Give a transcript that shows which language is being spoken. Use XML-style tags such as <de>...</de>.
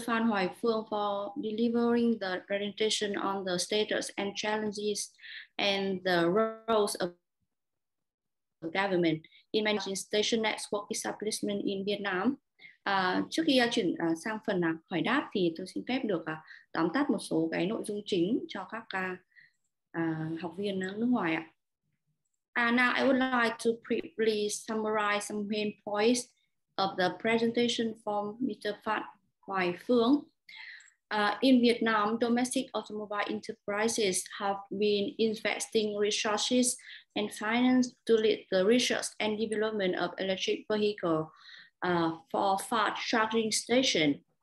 <en>Phan Hoài Phương, for delivering the presentation on the status and challenges and the roles of government in managing station network establishment in Vietnam.</en> <vi>Trước khi chuyển sang phần hỏi đáp thì tôi xin phép được tóm tắt một số cái nội dung chính cho các học viên nước ngoài ạ.</vi> <en>Now I would like to briefly summarize some main points of the presentation from Mr. Phan Hoài Phương. In Vietnam, domestic automobile enterprises have been investing resources and finance to lead the research and development of electric vehicle for fast charging station.</en>